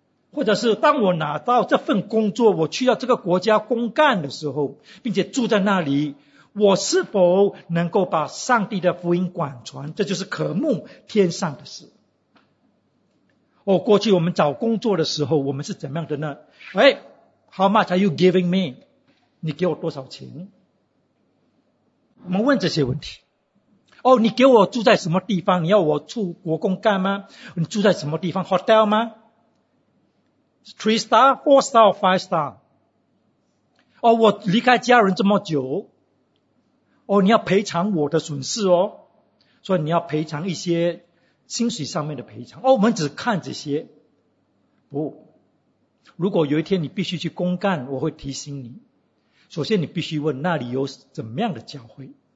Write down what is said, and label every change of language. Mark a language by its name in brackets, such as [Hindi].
[Chinese] 或者是当我拿到这份工作，我去到这个国家公干的时候，并且住在那里，我是否能够把上帝的福音广传？这就是渴慕天上的事。哦，过去我们找工作的时候，我们是怎么样的呢？哎 ， [English] How much are you giving me？ [Chinese] 你给我多少钱？我们问这些问题。哦，你给我住在什么地方？你要我出国公干吗？你住在什么地方 ？Hotel 吗 ？ [English] Three star, four star, five star？ [Chinese] 哦，我离开家人这么久，哦，你要赔偿我的损失哦，所以你要赔偿一些薪水上面的赔偿。哦，我们只看这些，不。如果有一天你必须去公干，我会提醒你。首先，你必须问那里有怎么样的教会。